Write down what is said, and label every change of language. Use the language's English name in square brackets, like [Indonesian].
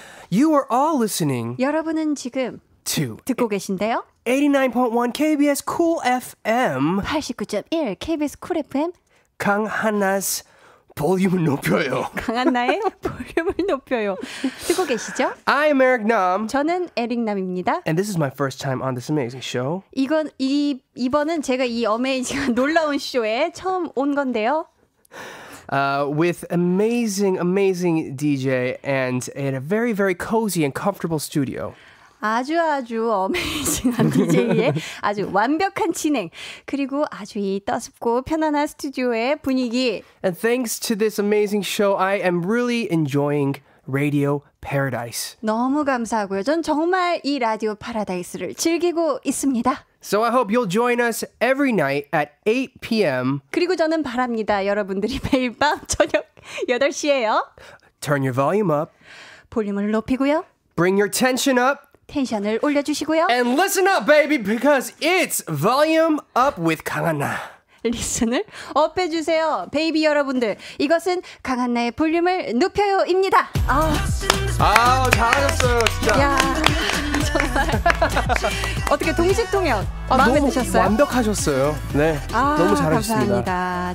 [English] You are all listening. [Korean] 여러분은 지금 [English] to [Korean] 듣고 계신데요. [English] 89.1 KBS Cool FM. 89.1 KBS Cool FM. [Korean] 강하나의 볼륨을 높여요. 강하나의 볼륨을 높여요. 듣고 계시죠? [English] I'm Eric Nam. [Korean] 저는 에릭 남입니다. [English] And this is my first time on this amazing show. [Korean] 이번은 제가 이 어메이징한 놀라운 쇼에 처음 온 건데요. [English] With amazing, amazing DJ and in a very, very cozy and comfortable studio. [Korean] 아주 아주 어메이징한 DJ의 아주 완벽한 진행 그리고 아주 이 따스럽고 편안한 스튜디오의 분위기. [English] And thanks to this amazing show, I am really enjoying Radio Paradise. [Korean] 너무 감사하고요. 전 정말 이 라디오 파라다이스를 즐기고 있습니다. [English] So I hope you'll join us every night at 8 p.m. [Korean] 그리고 저는 바랍니다. 여러분들이 매일 밤 저녁 8시에요. [English] Turn your volume up. [Korean] 볼륨을 높이고요. [English] Bring your tension up. [Korean] 텐션을 올려주시고요. [English] And listen up, baby, because it's volume up with 강한나. [Korean] 리슨을 업해주세요. 베이비 여러분들, 이것은 강한나의 볼륨을 높여요입니다. 아, 잘하셨어요, 진짜. 야. 어떻게 동시통역 마음에 드셨어요? 완벽하셨어요. 네, 아, 너무 잘하셨습니다. 감사합니다.